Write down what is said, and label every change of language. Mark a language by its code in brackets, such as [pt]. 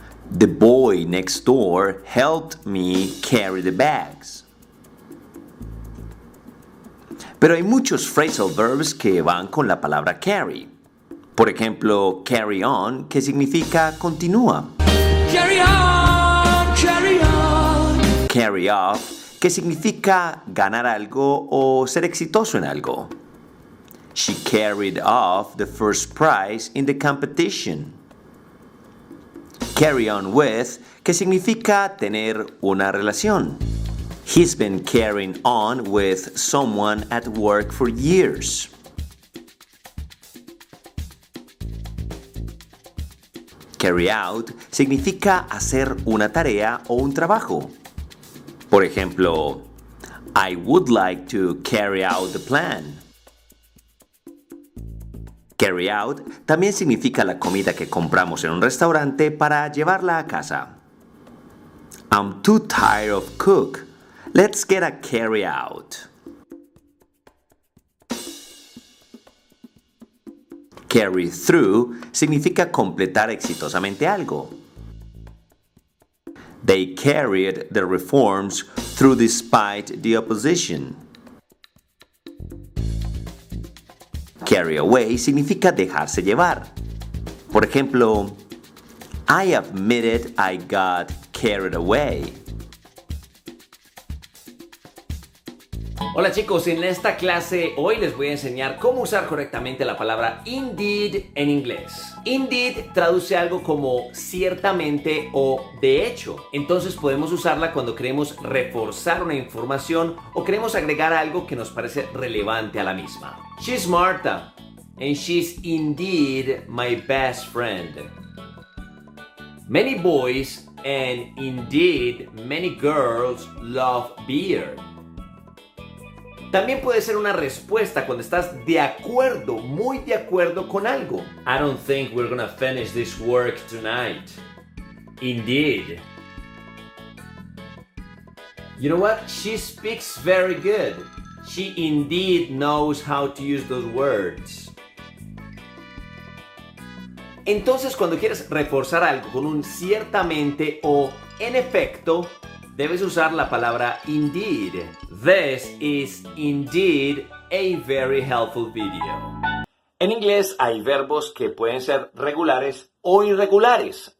[en] The boy next door helped me carry the bags. [es] Pero hay muchos phrasal verbs que van con la palabra carry. Por ejemplo, carry on, que significa continúa. [en] Carry on, carry on. [es] Carry off, que significa ganar algo o ser exitoso en algo. [en] She carried off the first prize in the competition. [es] Carry on with, que significa tener una relación. [en] He's been carrying on with someone at work for years. [es] Carry out significa hacer una tarea o un trabajo. Por ejemplo, [en] I would like to carry out the plan. [es] Carry out también significa la comida que compramos en un restaurante para llevarla a casa. [en] I'm too tired of cook. Let's get a carry out. [es] Carry through significa completar exitosamente algo. [en] They carried the reforms through despite the opposition. Carry away [es] significa dejarse llevar. Por ejemplo, [en] I admitted I got carried away. [es] Hola chicos, en esta clase hoy les voy a enseñar cómo usar correctamente la palabra indeed en inglés. Indeed traduce algo como ciertamente o de hecho. Entonces podemos usarla cuando queremos reforzar una información o queremos agregar algo que nos parece relevante a la misma. [en] She's Marta and she's indeed my best friend. Many boys and indeed many girls love beer. [es] También puede ser una respuesta cuando estás de acuerdo, muy de acuerdo con algo. [en] I don't think we're gonna finish this work tonight. Indeed. You know what? She speaks very good. She indeed knows how to use those words. [es] Entonces, cuando quieres reforzar algo con un ciertamente o en efecto, debes usar la palabra indeed. [en] This is indeed a very helpful video. [es] En inglés hay verbos que pueden ser regulares o irregulares.